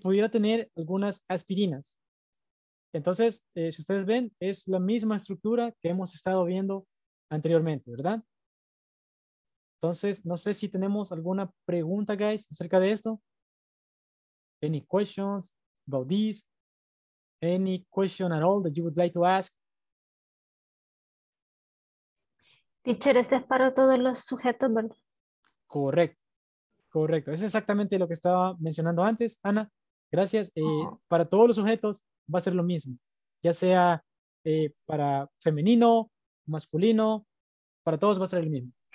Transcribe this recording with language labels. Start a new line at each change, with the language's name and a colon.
Spanish: ¿Pudiera tener algunas aspirinas? Entonces, si ustedes ven, es la misma estructura que hemos estado viendo anteriormente, ¿verdad? Entonces, no sé si tenemos alguna pregunta, guys, acerca de esto.
English: Any questions about this? Any question at all that you would like to ask?
Spanish: Teacher, este es para todos los sujetos, ¿verdad? Correcto, correcto. Es exactamente lo que estaba mencionando antes, Ana. Gracias. Para todos los sujetos va a ser lo mismo. Ya sea para femenino, masculino, para todos va a ser el mismo.